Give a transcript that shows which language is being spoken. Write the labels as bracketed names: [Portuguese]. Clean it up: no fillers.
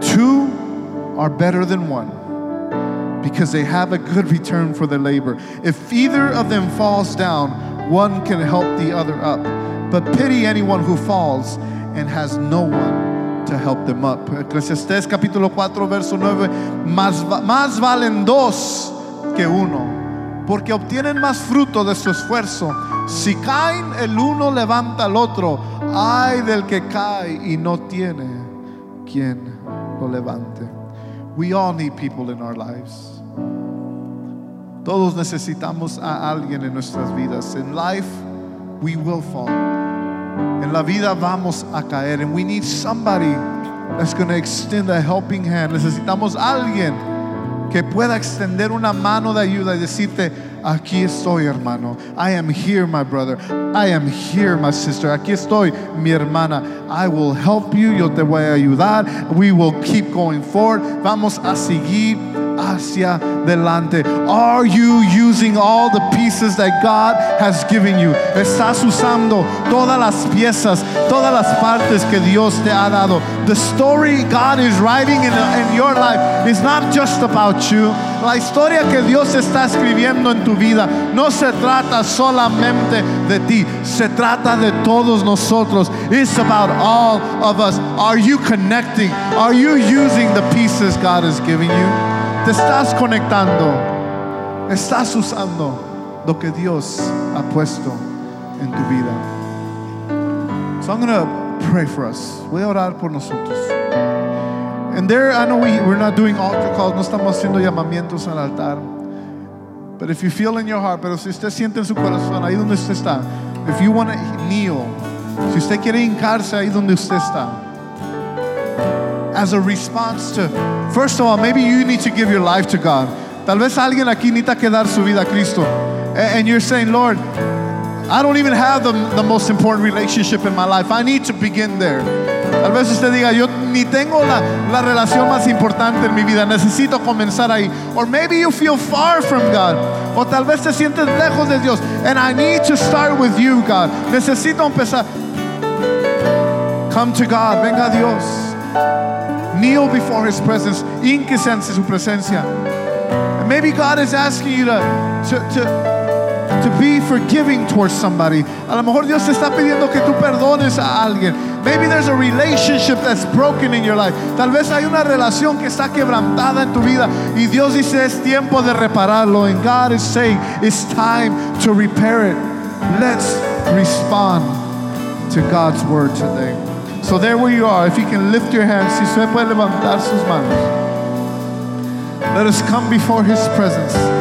[English] Two are better than one, because they have a good return for their labor. If either of them falls down, one can help the other up. But pity anyone who falls and has no one to help them up. [Spanish] Ecclesiastes capítulo 4, verso 9. Más valen dos que uno, porque obtienen más fruto de su esfuerzo. Si caen, el uno levanta al otro. Ay del que cae y no tiene quien lo levante. [English] We all need people in our lives. [Spanish] Todos necesitamos a alguien en nuestras vidas. [English] In life, we will fall. [Spanish] En la vida vamos a caer. [English] And we need somebody that's going to extend a helping hand. [Spanish] Necesitamos alguien que pueda extender una mano de ayuda y decirte, aquí estoy, hermano. [English] I am here, my brother. I am here, my sister. [Spanish] Aquí estoy, mi hermana. [English] I will help you. [Spanish] Yo te voy a ayudar. [English] We will keep going forward. [Spanish] Vamos a seguir hacia adelante. [English] Are you using all the pieces that God has given you? [Spanish] ¿Estás usando todas las piezas, todas las partes que Dios te ha dado? [English] The story God is writing in your life is not just about you. [Spanish] La historia que Dios está escribiendo en tu vida no se trata solamente de ti, se trata de todos nosotros. [English] It's about all of us. Are you connecting? Are you using the pieces God has given you? [Spanish] Te estás conectando, estás usando lo que Dios ha puesto en tu vida. [English] So I'm going to pray for us. [Spanish] Voy a orar por nosotros. [English] And there, I know we're not doing altar calls, [Spanish] no estamos haciendo llamamientos al altar. [English] But if you feel in your heart, [Spanish] pero si usted siente en su corazón, ahí donde usted está, [English] if you want to kneel, [Spanish] si usted quiere hincarse ahí donde usted está, [English] as a response to, first of all, maybe you need to give your life to God. [Spanish] Tal vez alguien aquí necesita que dar su vida a Cristo. [English] And you're saying, Lord, I don't even have the most important relationship in my life. I need to begin there. [Spanish] Tal vez usted diga, yo ni tengo la relación más importante en mi vida. Necesito comenzar ahí. [English] Or maybe you feel far from God. [Spanish] O tal vez te sientes lejos de Dios. [English] And I need to start with you, God. [Spanish] Necesito empezar. [English] Come to God. [Spanish] Venga a Dios. [English] Kneel before His presence. [Spanish] Inquiese ante su presencia. [English] And maybe God is asking you to be forgiving towards somebody. [Spanish] A lo mejor Dios te está pidiendo que tú perdones a alguien. [English] Maybe there's a relationship that's broken in your life. [Spanish] Tal vez hay una relación que está quebrantada en tu vida. Y Dios dice, es tiempo de repararlo. [English] And God is saying, it's time to repair it. Let's respond to God's word today. So there where you are, if you can lift your hands, [Spanish] si usted puede levantar sus manos, [English] let us come before His presence.